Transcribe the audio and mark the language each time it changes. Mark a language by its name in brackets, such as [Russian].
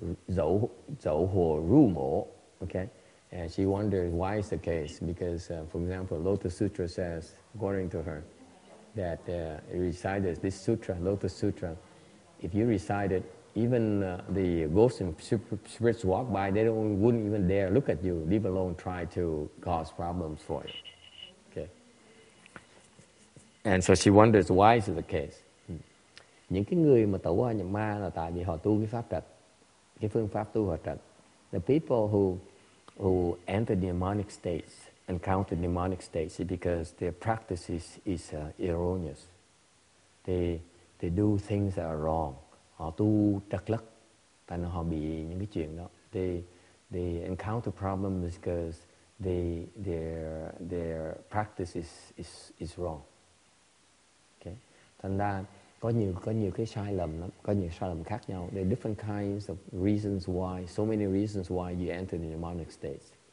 [English] Zǒu huo ru mo, okay? And she wonders why is the case, because for example, Lotus Sutra says, according to her, that recited this sutra, Lotus Sutra, if you recite it, even the ghosts and spirits walk by, they wouldn't even dare look at you, leave alone try to cause problems for you. And so she wonders why is the case. [Vietnamese] Những cái người mà tẩu hoa nhập ma là tại vì họ tu cái pháp trật, cái phương pháp tu hoa trật. [English] The people who enter demonic states, encounter demonic states, because their practice is erroneous. They do things that are wrong. [Vietnamese] Họ tu trật lất, tại nó họ bị những cái chuyện đó. [English] They encounter problems because their practice is wrong. [Vietnamese] Thành ra có nhiều cái sai lầm lắm, có nhiều sai lầm khác nhau. [English] There are different kinds of reasons why, so many reasons why you enter the demonic states.